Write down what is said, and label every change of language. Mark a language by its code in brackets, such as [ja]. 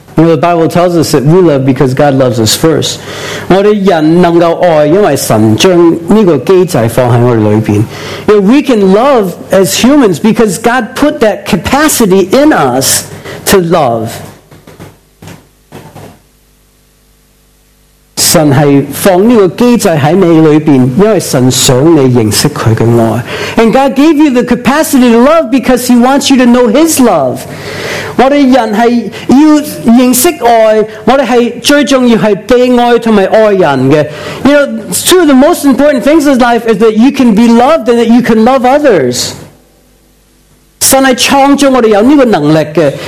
[en] You know, the Bible tells us that we love because God loves us first. [zh] 我们人能够爱，因为神将这个机制放在我们里边. [en] You know, we can love as humans because God put that capacity in us to love. [zh] 神是放这个机制在你里边，因为神想你认识他的爱. [en] And God gave you the capacity to love because he wants you to know his love. [zh] 我们人是要认识爱, 我们是最重要是被爱和爱人的. [en] You know, it's true, the most important things in life is that you can be loved and that you can love others. [zh] 神是创造我们有这个能力的.